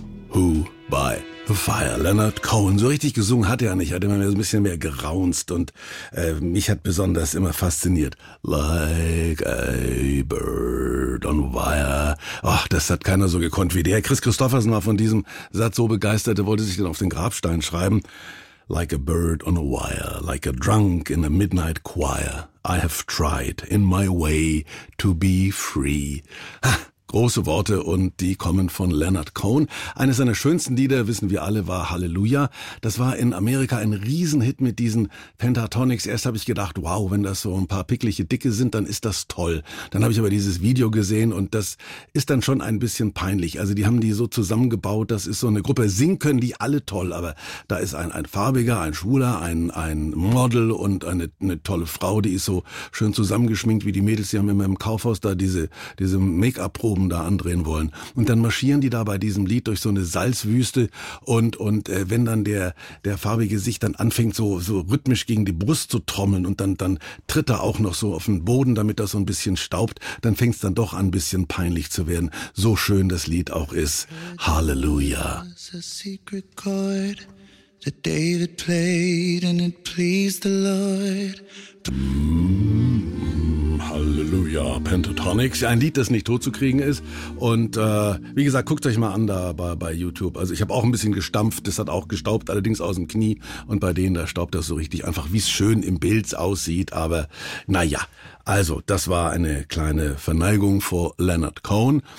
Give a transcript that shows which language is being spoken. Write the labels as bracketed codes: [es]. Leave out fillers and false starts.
[en] Who by Fire, Leonard Cohen. [de] So richtig gesungen hat er ja nicht. Er hat immer so ein bisschen mehr geraunzt und mich hat besonders immer fasziniert. [en] Like a bird on wire. [de] Ach, das hat keiner so gekonnt wie der. Chris Christophersen war von diesem Satz so begeistert, er wollte sich dann auf den Grabstein schreiben. [en] Like a bird on a wire, like a drunk in a midnight choir. I have tried in my way to be free. [de] Große Worte und die kommen von Leonard Cohen. Eines seiner schönsten Lieder, wissen wir alle, war Hallelujah. Das war in Amerika ein Riesenhit mit diesen Pentatonics. Erst habe ich gedacht, wow, wenn das so ein paar pickliche Dicke sind, dann ist das toll. Dann habe ich aber dieses Video gesehen und das ist dann schon ein bisschen peinlich. Also die haben die so zusammengebaut, das ist so eine Gruppe. Singen können die alle toll, aber da ist ein Farbiger, ein Schwuler, ein Model und eine tolle Frau, die ist so schön zusammengeschminkt wie die Mädels. Die haben immer im Kaufhaus da diese Make-up-Probe oben da andrehen wollen. Und dann marschieren die da bei diesem Lied durch so eine Salzwüste und wenn dann der farbige sich dann anfängt, so rhythmisch gegen die Brust zu trommeln und dann tritt er auch noch so auf den Boden, damit das so ein bisschen staubt, dann fängt es dann doch an, ein bisschen peinlich zu werden. So schön das Lied auch ist. [en] Hallelujah. A secret chord that David played and it pleased the Lord. [de] Halleluja, Pentatonix. Ein Lied, das nicht tot zu kriegen ist. Und wie gesagt, guckt euch mal an da bei YouTube. Also ich habe auch ein bisschen gestampft. Das hat auch gestaubt, allerdings aus dem Knie. Und bei denen, da staubt das so richtig einfach, wie es schön im Bild aussieht. Aber naja, also das war eine kleine Verneigung vor Leonard Cohen.